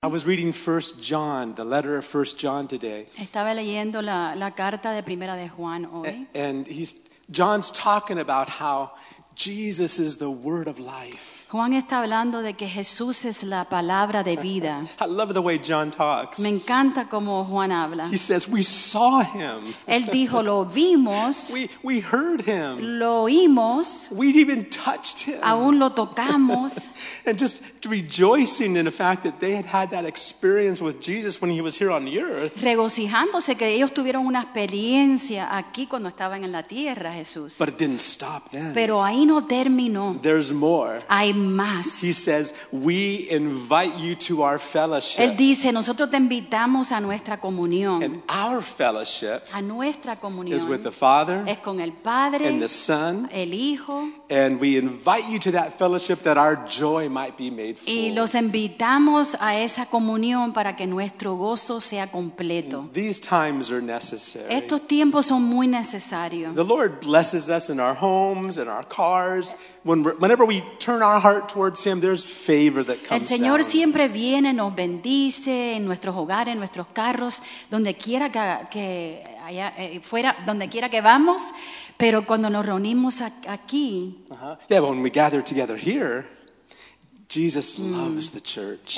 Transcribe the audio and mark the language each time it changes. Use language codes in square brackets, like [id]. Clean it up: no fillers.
[en] I was reading 1 John, the letter of 1 John today. [es] Estaba leyendo la carta de Primera de Juan hoy. [en] And John's talking about how Jesus is the word of life. [es] Juan está hablando de que Jesús es la palabra de vida. [en] I love the way John talks. [es] Me encanta cómo Juan habla. [en] He says, we saw him. [es] Él dijo, lo vimos. [en] We heard him. [es] Lo oímos. [en] We even touched him. [es] Aún lo tocamos. [en] And just rejoicing in the fact that they had had that experience with Jesus when he was here on the earth. [es] Regocijándose que ellos tuvieron una experiencia aquí cuando estaban en la tierra, Jesús. [en] But it didn't stop then. [es] Pero ahí no terminó. [en] There's more. [es] Hay más. [en] He says, we invite you to our fellowship. [es] Él dice, nosotros te invitamos a nuestra comunión. [en] And our fellowship [es] a nuestra comunión [en] is with the Father, [es] es con el Padre, [en] and the Son, [es] el Hijo. [en] And we invite you to that fellowship that our joy might be made full. [es] Y los invitamos a esa comunión para que nuestro gozo sea completo. [en] These times are necessary. [es] Estos tiempos son muy necesarios. [en] The Lord blesses us in our homes, in our cars. Whenever we turn our heart towards him, there's favor that comes down. [es] El Señor [en] down. [es] Siempre viene, nos bendice en nuestros hogares, en nuestros carros, donde quiera que allá fuera, donde quiera que vamos, pero cuando nos reunimos aquí. Uh-huh. [en] Yeah, but when we gather together here, Jesus loves the church.